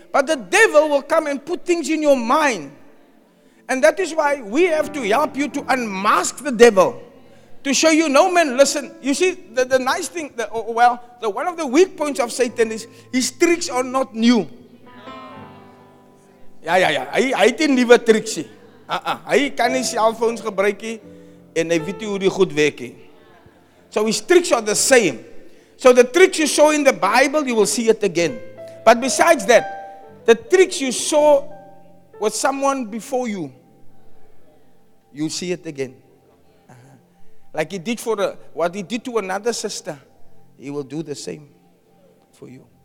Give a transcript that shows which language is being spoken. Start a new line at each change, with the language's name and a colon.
English: But the devil will come and put things in your mind. And that is why we have to help you to unmask the devil. To show you, no man, listen. You see, the nice thing, one of the weak points of Satan is his tricks are not new. Yeah, yeah, yeah.
Afrikaans: Hy het nie nuwe tricks nie. Hy kan nie selfoons gebruik nie en hy weet nie hoe die goed werk nie.
English: So his tricks are the same. So the tricks you saw in the Bible, you will see it again. But besides that, the tricks you saw with someone before you, you see it again. Like he did for what he did to another sister, he will do the same for you.